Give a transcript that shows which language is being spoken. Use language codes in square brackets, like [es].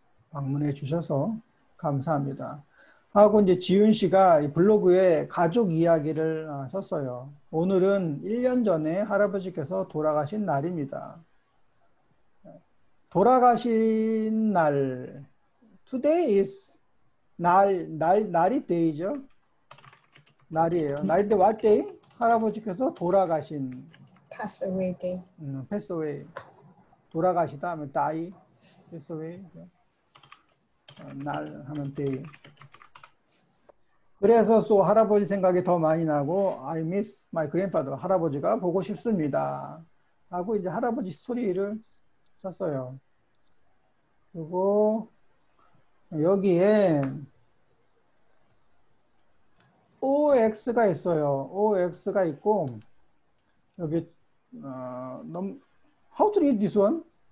[ko] 방문해 주셔서 감사합니다. 하고 이제 지윤 씨가 블로그에 가족 이야기를 썼어요. 오늘은 1년 전에 할아버지께서 돌아가신 날입니다. 돌아가신 날. [en] Today is 날이 day죠. [ko] 날이에요. [en] 날인데 what day? [ko] 할아버지께서 돌아가신. [en] Pass away day. Pass away. [ko] 돌아가시다 하면 die. [en] Pass away. [ko] 날 하면 day. 그래서 so 할아버지 생각이 더 많이 나고 [en] I miss my grandfather. [ko] 할아버지가 보고 싶습니다. 하고 이제 할아버지 스토리를 썼어요. 그리고 여기에 OX가 있어요. OX가 있고 여기 [en] How to read this one?